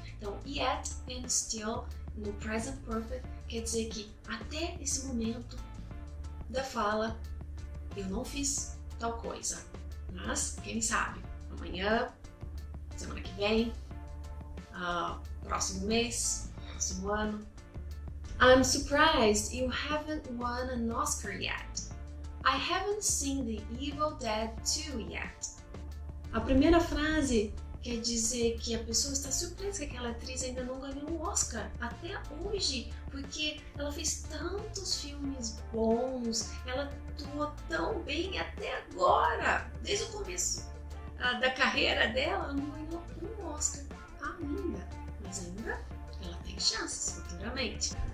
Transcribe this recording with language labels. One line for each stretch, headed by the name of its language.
Portuguese: Então, yet and still, no present perfect, quer dizer que até esse momento da fala, eu não fiz tal coisa. Mas, quem sabe, amanhã, semana que vem, próximo mês, próximo ano.
English: I'm surprised you haven't won an Oscar yet. I haven't seen The Evil Dead 2 yet.
Portuguese: A primeira frase quer dizer que a pessoa está surpresa que aquela atriz ainda não ganhou um Oscar até hoje, porque ela fez tantos filmes bons, ela atuou tão bem até agora, desde o começo da carreira dela, ela não ganhou um Oscar ainda, mas ainda ela tem chances futuramente.